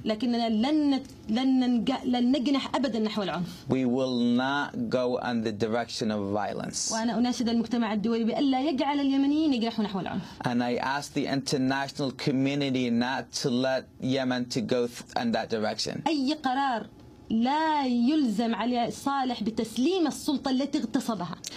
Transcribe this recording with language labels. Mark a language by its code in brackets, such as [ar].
[ar] لكننا لن نجنح أبدا نحو العنف. [en] We will not go in the direction of violence. [ar] وأنا أناشد المجتمع الدولي بألا يجعل اليمنيين يجرحوا نحو العنف. [en] And I ask the international community not to let Yemen to go in that direction. [ar] أي قرار لا يلزم علي صالح بتسليم السلطة التي اغتصبها.